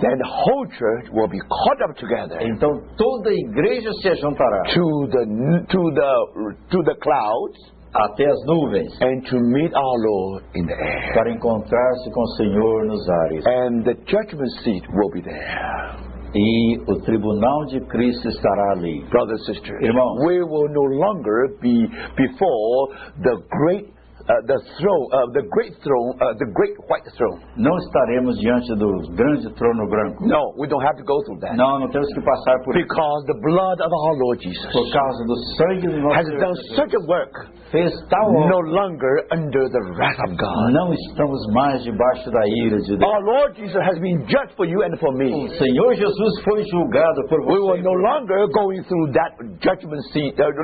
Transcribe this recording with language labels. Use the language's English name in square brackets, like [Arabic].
[English] Then the whole church will be caught up together. [Portuguese] Então toda a igreja se juntará. [English] To the clouds. [Portuguese] Até as nuvens. [English] And to meet our Lord in the air. [Portuguese] Para encontrar-se com o Senhor nos ares. [English] And the judgment seat will be there. [Portuguese] E o tribunal de Cristo estará ali. [English] Brothers and sisters. [Portuguese] Irmãos. [English] We will no longer be before the great the great white throne. [Portuguese] Não estaremos diante do grande trono branco. [English] No, we don't have to go through that. [Portuguese] Não, não temos que passar por. [English] Because the blood of our Lord Jesus, [Portuguese] por causa do sangue do nosso [English] has done such a work. [Portuguese] Fez tal obra. [English] No longer under the wrath of God. [Portuguese] Não estamos mais debaixo da ira de Deus. [English] Our Lord Jesus has been judged for you and for me. [Portuguese] O Senhor Jesus foi julgado por você. [English] We will no longer going through that judgment seat.